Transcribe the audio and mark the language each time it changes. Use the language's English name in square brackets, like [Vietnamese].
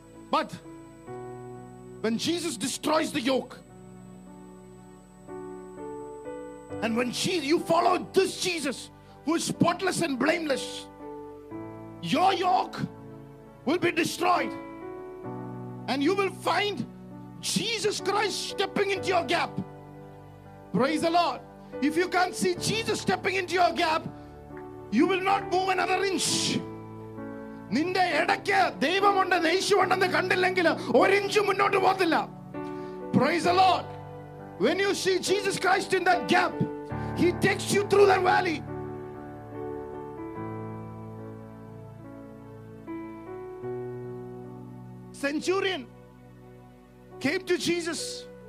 [English] But when Jesus destroys the yoke, and when you follow this Jesus, who is spotless and blameless, your yoke will be destroyed. And you will find Jesus Christ stepping into your gap. Praise the Lord. If you can't see Jesus stepping into your gap, you will not move another inch. [Malayalam] നിന്റെ ഇടയ്ക്ക് ദൈവമുണ്ട് യേശുവുണ്ടെന്ന് കണ്ടില്ലെങ്കിൽ ഒരു inch മുന്നോട്ട് പോകത്തില്ല. [English] Praise the Lord. When you see Jesus Christ in that gap, he takes you through that valley. Centurion came to Jesus.